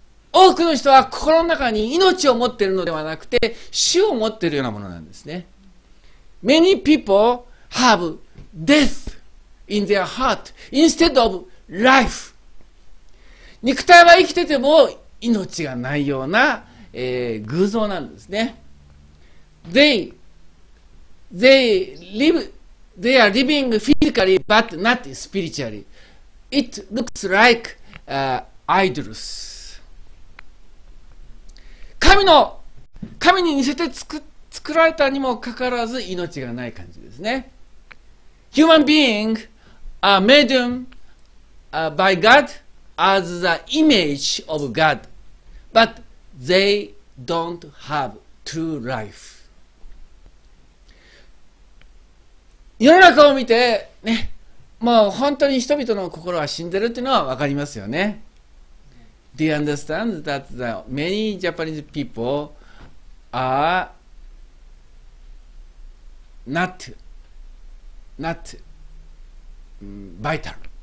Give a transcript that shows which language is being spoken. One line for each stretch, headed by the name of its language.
Japanese: 多くの人は心の中に命を持っているのではなくて死を持っているようなものなんですね。
English: Many people have death in their heart instead of life。
Japanese: 肉体は生きてても命がないような、偶像なんですね。
English: They liveThey are living physically but not spiritually. It looks like idols.
Japanese: 神に似せて作られたにもかかわらず命がない感じですね。
English: Human beings are made by God as the image of God, but they don't have true life.
Japanese: 世の中を見てね、もう本当に人々の心は死んでるっていうのは分かりますよね。
English: Do you understand that the many Japanese people are not vital?